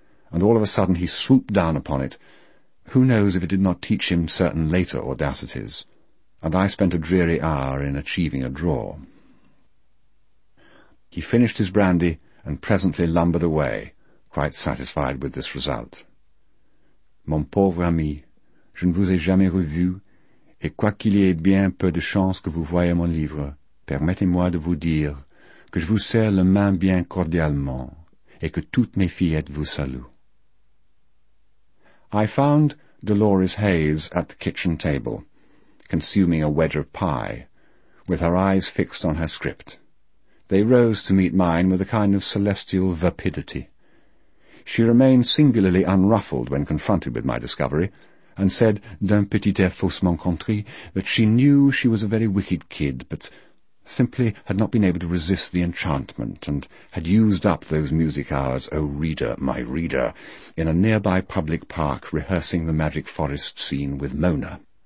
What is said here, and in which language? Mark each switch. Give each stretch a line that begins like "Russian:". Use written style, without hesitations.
English: And all of a sudden he swooped down upon it. Who knows if it did not teach him certain later audacities? And I spent a dreary hour in achieving a draw. He finished his brandy, and presently lumbered away, quite satisfied with this result.
French: Mon pauvre ami, je ne vous ai jamais revu, et quoi qu'il y ait bien peu de chance que vous voyez mon livre, permettez-moi de vous dire que je vous serre la main bien cordialement, et que toutes mes fillettes vous saluent.
English: I found Dolores Hayes at the kitchen table, consuming a wedge of pie, with her eyes fixed on her script. They rose to meet mine with a kind of celestial vapidity. She remained singularly unruffled when confronted with my discovery, and said,
French: d'un petit air faussement contrit,
English: that she knew she was a very wicked kid, but simply had not been able to resist the enchantment, and had used up those music hours, oh reader, my reader, in a nearby public park rehearsing the magic forest scene with Mona.